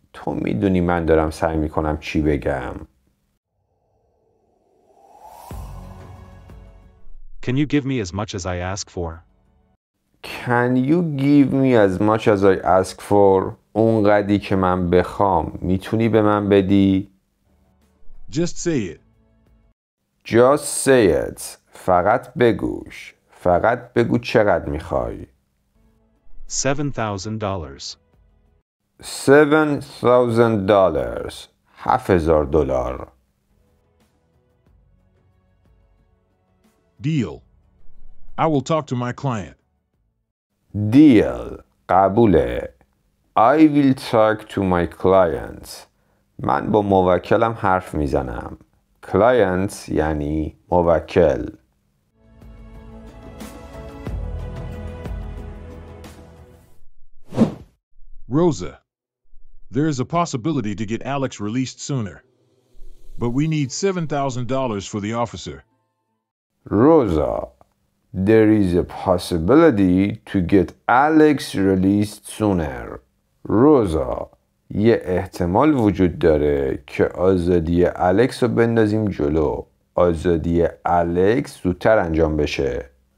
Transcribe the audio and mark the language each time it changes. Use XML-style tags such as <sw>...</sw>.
<fa>تو میدونی من دارم سعی میکنم چی بگم.</fa> <en>Can you give me as much as I ask for? Can you give me as much as I ask for?</en> <fa>اونقدی که من بخوام میتونی به من بدی؟</fa> <en>Just say it. Just say it.</en> <fa>فقط بگوش. فقط بگو چقدر میخوای.</fa> <en>$7,000. $7,000. $7,000. Deal. I will talk to my client. Deal. قبوله. I will talk to my clients.</en> <fa>من با موکلم حرف میزنم. Clients یعنی موکل.</fa> <en>Rosa, there is a possibility to get Alex released sooner. But we need $7,000 for the officer. Rosa, there is a possibility to get Alex released sooner.</en> <fa>Rosa, یه احتمال وجود داره که آزادی الکس رو بندازیم جلو. آزادی الکس زودتر انجام بشه.</fa>